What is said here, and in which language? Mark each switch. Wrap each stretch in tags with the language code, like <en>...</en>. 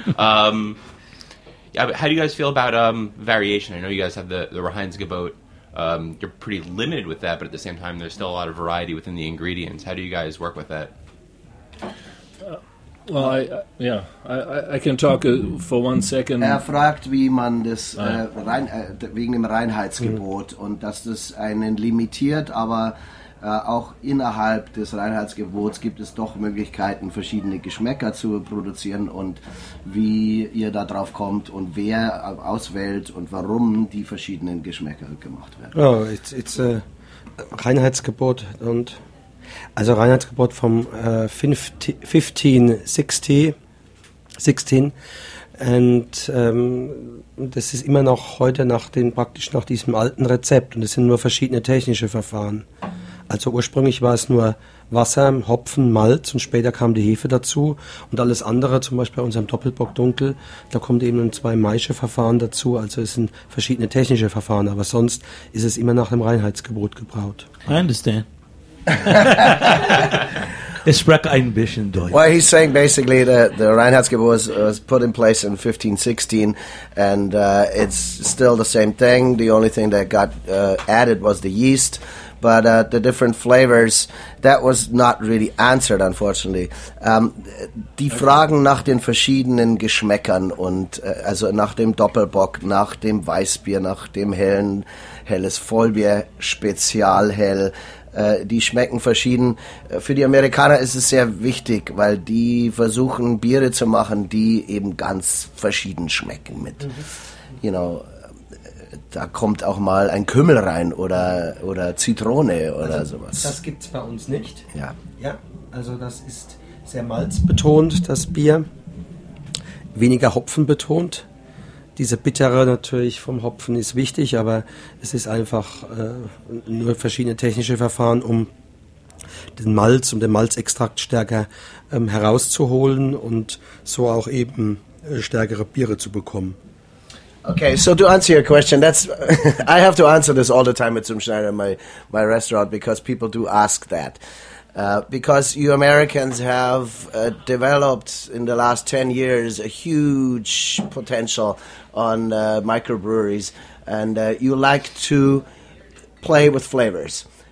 <en>yeah, but how do you guys feel about variation? I know you guys have the Rheinsgebot. You're pretty limited with that, but at the same time, there's still a lot of variety within the ingredients. How do you guys work with that? Well, I can talk for 1 second.</en> <de>Er fragt, wie man das wegen dem Reinheitsgebot und dass das einen limitiert, aber auch innerhalb des Reinheitsgebots gibt es doch Möglichkeiten, verschiedene Geschmäcker zu produzieren, und wie ihr da drauf kommt und wer auswählt und warum die verschiedenen Geschmäcker gemacht werden.</de> <en>Oh, it's a</en> <de>Reinheitsgebot, und also Reinheitsgebot vom 1516, und das ist immer noch heute praktisch nach diesem alten Rezept, und es sind nur verschiedene technische Verfahren. Also ursprünglich war es nur Wasser, Hopfen, Malz, und später kam die Hefe dazu. Und alles andere, zum Beispiel bei unserem Doppelbock Dunkel, da kommt eben ein zwei Maische-Verfahren dazu. Also es sind verschiedene technische Verfahren, aber sonst ist es immer nach dem Reinheitsgebot gebraut.</de> <en>I understand.</en> <de>Ich spreche ein bisschen Deutsch.</de> <en>Well, he's saying basically that the Reinheitsgebot was put in place in 1516, and it's still the same thing. The only thing that got added was the yeast. But the different flavors, that was not really answered, unfortunately.</en> <de>Die Fragen nach den verschiedenen Geschmäckern und also nach dem Doppelbock, nach dem Weißbier, nach dem helles Vollbier, Spezialhell, die schmecken verschieden. Für die Amerikaner ist es sehr wichtig, weil die versuchen, Biere zu machen, die eben ganz verschieden schmecken mit, you know. Da kommt auch mal ein Kümmel rein oder Zitrone oder also, sowas. Das gibt's bei uns nicht. Ja. Ja, also das ist sehr malzbetont, das Bier. Weniger hopfenbetont. Diese Bittere natürlich vom Hopfen ist wichtig, aber es ist einfach nur verschiedene technische Verfahren, um den Malz, um den Malzextrakt stärker herauszuholen und so auch eben stärkere Biere zu bekommen.</de> <en>Okay, so to answer your question, that's I have to answer this all the time at Zum Schneider, my restaurant, because people do ask that. Because you Americans have developed in the last 10 years a huge potential on microbreweries, and you like to play with flavors.</en>